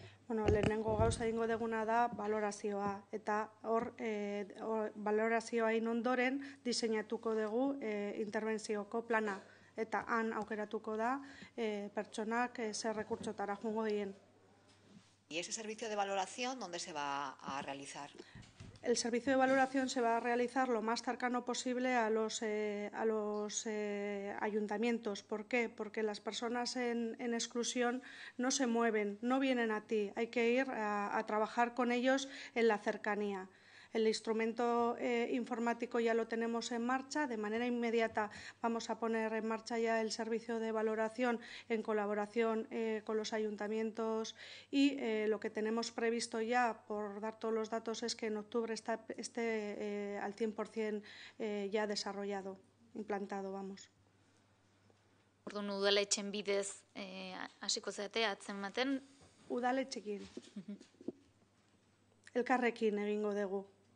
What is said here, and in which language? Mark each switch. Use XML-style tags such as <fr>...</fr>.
<eu>Bueno, lehenengo gauza egingo deguna da valorazioa eta hor valorazioa in ondoren diseinatuko dugu interbentzioko plana eta han aukeratuko da pertsonak ze rekurtsotara jungo dien.</eu> <es>¿Y ese servicio de valoración dónde se va a realizar? El servicio de valoración se va a realizar lo más cercano posible a los ayuntamientos. ¿Por qué? Porque las personas en exclusión no se mueven, no vienen a ti. Hay que ir a trabajar con ellos en la cercanía. El instrumento informático ya lo tenemos en marcha. De manera inmediata vamos a poner en marcha ya el servicio de valoración en colaboración con los ayuntamientos y lo que tenemos previsto ya, por dar todos los datos, es que en octubre esté al 100% ya desarrollado, implantado, vamos.</es> <eu>Orduan, udaletxen bidez hasiko zate atzematen? Udaletxekin. Elkarrekin egingo dugu.</eu>